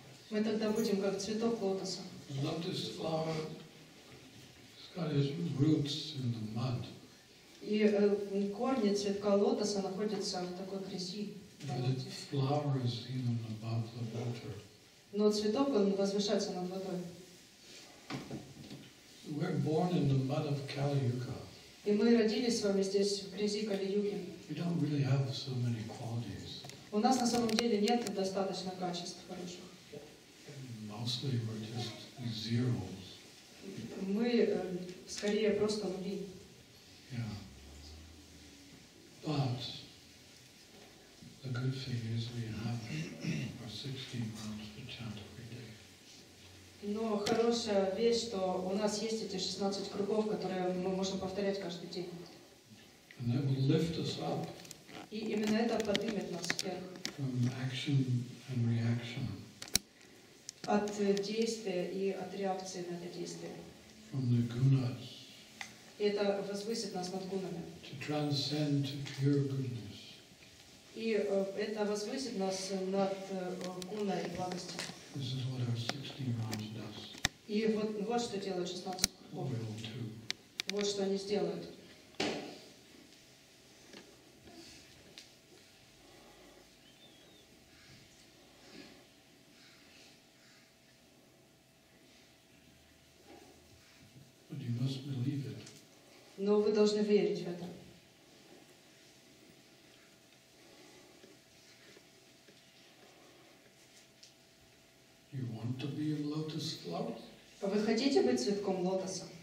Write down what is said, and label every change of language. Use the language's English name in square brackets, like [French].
[Russian] Мы тогда будем как цветок лотоса. [English] Lotus flower has its roots in the mud. [Russian] И корни цветка лотоса находятся в такой грязи. [English] But it flowers even above the water. [Russian] Но цветок он возвышается над водой. [English] We're born in the mud of Kali Yuga. [Russian] И мы родились с вами здесь в грязи Кали Юги. [English] We don't really have so many qualities. [Russian] У нас на самом деле нет достаточно качеств хороших. [English] Mostly we're just zeros. [Russian] Мы скорее просто нули. [English] Yeah. But the good thing is we have our 16 rounds to chant every day. [Russian] Но хорошая вещь, что у нас есть эти 16 кругов, которые мы можем повторять каждый день. [English] And that will lift us up. [Russian] И именно это поднимет нас вверх. [English] From action and reaction. [Russian] От действия и от реакции на это действие. [English] From the gunas. [Russian] И это возвысит нас над гунами. [English] To transcend to pure goodness. [Russian] И это возвысит нас над гуной и благостью. [English] This is what our 16 rounds does. [Russian] И вот вот что делают 16 кругов. Вот что они сделают. [English] But you must believe it. [Russian] Но вы должны верить в это. [English] You want to be a lotus flower? [Russian] А вы хотите быть цветком лотоса?